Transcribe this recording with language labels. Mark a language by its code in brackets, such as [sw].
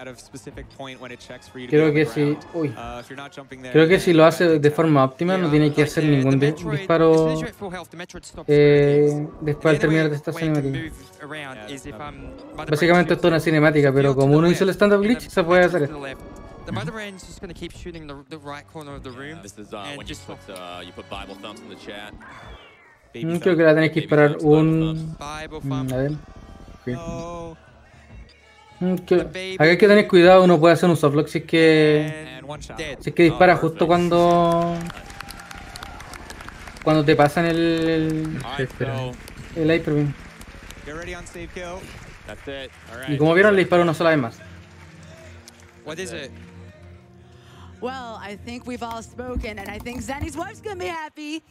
[es] Creo que si, uy, creo que si lo hace de forma óptima, no tiene que hacer ningún disparo después de terminar esta cinemática. Básicamente esto es una cinemática, pero como uno hizo el stand-up glitch, se puede hacer esto. [en] The mother end's just gonna keep shooting the right corner of the room. Yeah, this is when you just put you put Bible thumps in the chat. [es] Baby creo que la tenés que disparar un a ver. Okay. No. Okay. Aquí hay que tener cuidado, uno puede hacer un softlock si es que. Si es que dispara justo cuando. Cuando te pasan el. Espera. El hyperbeam. [en] Get ready on save kill. That's it. [es] Y como vieron, le disparo una sola vez más. [en] What is it? Well, I think we've all spoken, and I think Zenny's wife's gonna be happy.